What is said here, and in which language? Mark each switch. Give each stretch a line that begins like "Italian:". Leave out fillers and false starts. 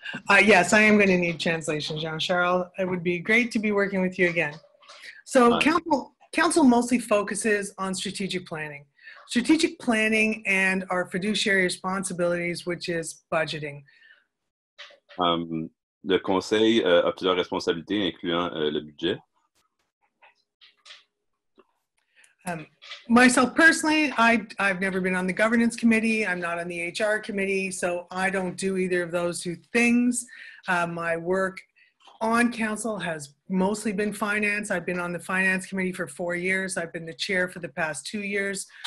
English: Yes, I am going to need translation, Jean-Charles. It would be great to be working with you again. So council mostly focuses on strategic planning. Strategic planning and our fiduciary responsibilities, which is budgeting.
French: Le conseil a plusieurs responsabilités, incluant le budget.
English: Myself personally, I've never been on the governance committee. I'm not on the HR committee, so I don't do either of those two things. My work on council has mostly been finance. I've been on the finance committee for 4 years. I've been the chair for the past 2 years.